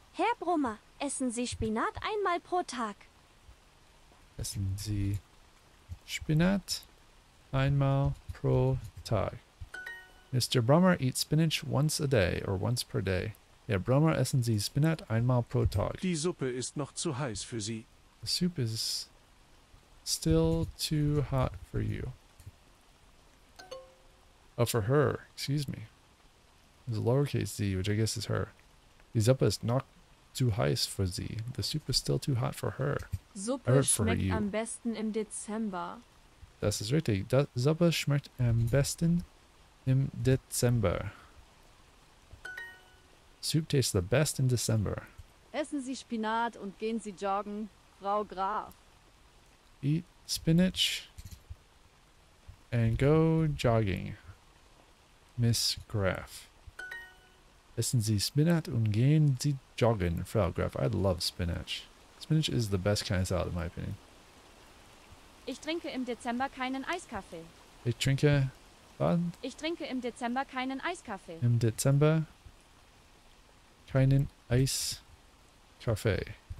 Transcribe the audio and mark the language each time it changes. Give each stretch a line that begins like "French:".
German: Herr Brummer, essen Sie Spinat einmal pro Tag? Essen Sie Spinat einmal pro Tag? Mr.
English: Brummer eats spinach once a day or once per day.
German: Herr Brummer, essen Sie Spinat einmal pro Tag? Die Suppe ist noch zu heiß für Sie.
English: The soup is still too hot for you. Oh, for her. Excuse me. There's a lowercase z, which I guess is her.
German: Die Suppe ist noch zu heiß für sie.
English: The soup is still too hot for her.
German: Suppe schmeckt am besten im Dezember. Das ist richtig. Suppe schmeckt am besten im Dezember.
English: Soup tastes the best in December.
German: Essen Sie Spinat und gehen Sie joggen, Frau Graf.
English: Eat spinach and go jogging, Miss Graf.
German: Essen Sie Spinat und gehen Sie joggen, Frau Graf.
English: I love spinach. Spinach is the best kind of salad, in my opinion.
German: Ich trinke im Dezember keinen Eiskaffee. Ich trinke was? Ich trinke im Dezember keinen Eiskaffee. Im Dezember keinen Eiskaffee.